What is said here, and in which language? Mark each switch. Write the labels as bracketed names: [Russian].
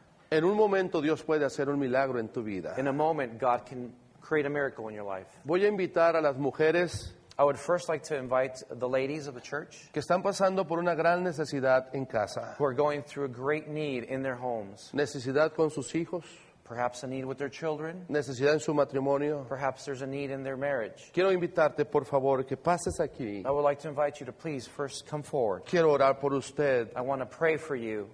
[Spanish] En un momento Dios puede hacer un milagro en tu vida. [English] In a moment God can create a miracle in your life. [Spanish] Voy a invitar a las mujeres. [English] I would first like to invite the ladies of the church [Spanish] que están pasando por una gran necesidad en casa, [English] who are going through a great need in their homes. [Spanish] Necesidad con sus hijos. [English] Perhaps a need with their children. [Spanish] Necesidad en su matrimonio. [English] Perhaps there's a need in their marriage. [Spanish] Quiero invitarte, por favor, que pases aquí. [English] I would like to invite you to please first come forward. [Spanish] Quiero orar por usted. [English] I want to pray for you.